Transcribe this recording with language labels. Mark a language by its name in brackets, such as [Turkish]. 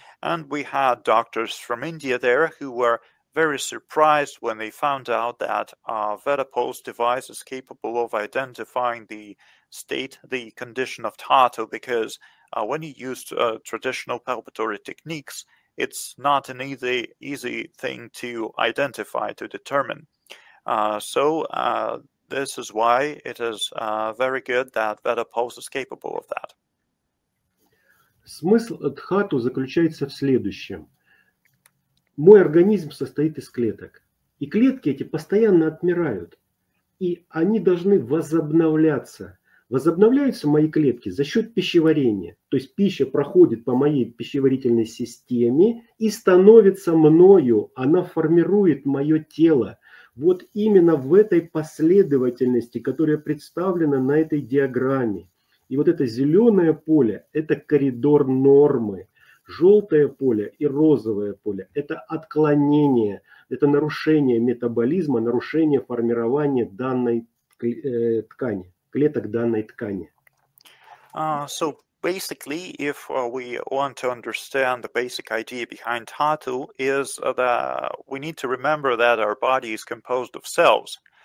[English] And we had doctors from India there who were very surprised when they found out that VetaPulse device is capable of identifying the state, the condition of Tato, because when you use traditional palpatory techniques, it's not an easy thing to identify, to determine. This is why it is very good that VetaPulse is capable of that. [Russian] Смысл Дхату заключается в следующем. Мой организм состоит из клеток. И клетки эти постоянно отмирают. И они должны возобновляться. Возобновляются мои клетки за счет пищеварения. То есть пища проходит по моей пищеварительной системе и становится мною. Она формирует мое тело. Вот именно в этой последовательности, которая представлена на этой диаграмме. И вот это зеленое поле – это коридор нормы. Желтое поле и розовое поле – это отклонение, это нарушение метаболизма, нарушение формирования данной ткани, клеток данной ткани. [English] So basically, if we want to understand the basic idea behind Tato, is that we need to remember that our body is composed of cells.